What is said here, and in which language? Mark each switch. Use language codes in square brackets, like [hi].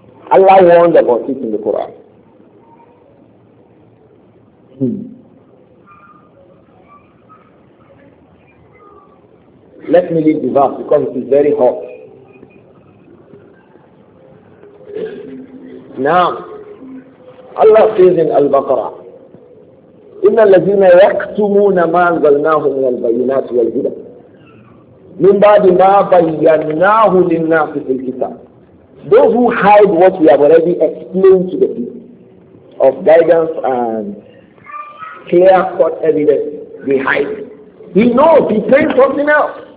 [en] Allah warned about it in the Quran. Let me leave the verse because it is very hot. Now, Allah says in Al-Baqarah, [ar] إِنَّ الَّذِينَ يَكْتُمُونَ مَا أَنزَلْنَاهُ مِنَ الْبَيِّنَاتِ وَالْهُدَى مِنْ بَعْدِ مَا بَيَّنَّاهُ لِلنَّاسِ فِي الْكِتَابِ. [en] Those who hide what we have already explained to the people of guidance and clear-cut evidence, they hide. He knows, he claims something else.